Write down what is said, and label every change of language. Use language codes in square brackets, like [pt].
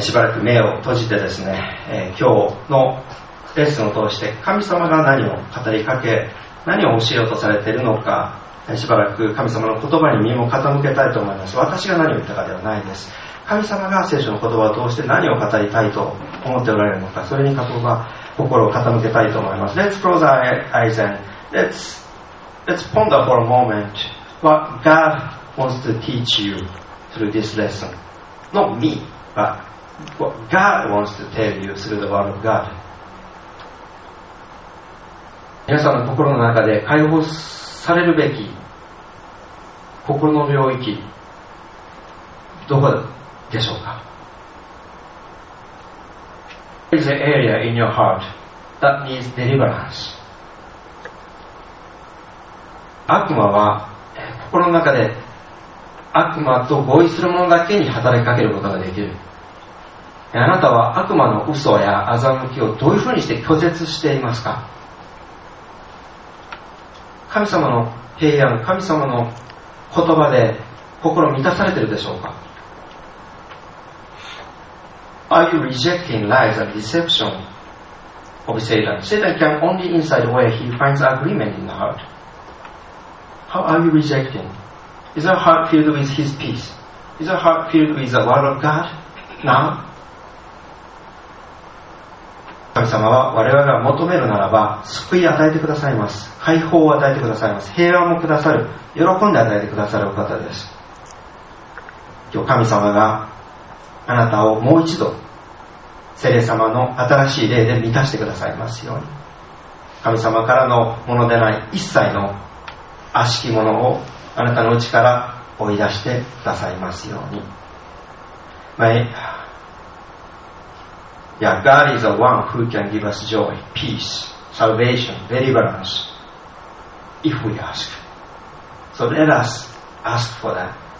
[ja] しばらく目を閉じてですね、今日のレッスンを通して神様が何を語りかけ何を教えようとされているのか、しばらく神様の言葉に耳も傾けたいと思います。私が何を言ったかではないです。神様が聖書の言葉を通して何を語りたいと思っておられるのか、それに心を傾けたいと思います。 [en] Let's close our eyes and let's ponder for a moment what God wants to teach you through this lesson. Not me, but what God wants to tell you through the word of God. [ja] 皆さんの心の中で解放されるべき心の領域、どこでしょうか？ [en] What is the area in your heart that needs deliverance? [ja] 悪魔は心の中で悪魔と合意する者だけに働きかけることができる。あなたは悪魔の嘘や欺きをどういうふうにして拒絶していますか？神様の平安、神様の言葉で心満たされているでしょうか？ [en] Are you rejecting lies and deception of Satan? Satan can only inside where he finds agreement in the heartHow are you rejecting? Is your heart filled with His peace? Is your heart filled with the Word of God now? [ja] 神様は我々が求めるならば救いを与えてくださいます。解放を与えてくださいます。平和もくださる、喜んで与えてくださるお方です。今日神様があなたをもう一度聖霊様の新しい霊で満たしてくださいますように。神様からのものでない一切の悪しきものをあなたのうちから追い出してくださいますように。 [en] God is the one who can give us joy, peace, salvation, deliverance if we ask. So let us ask for that.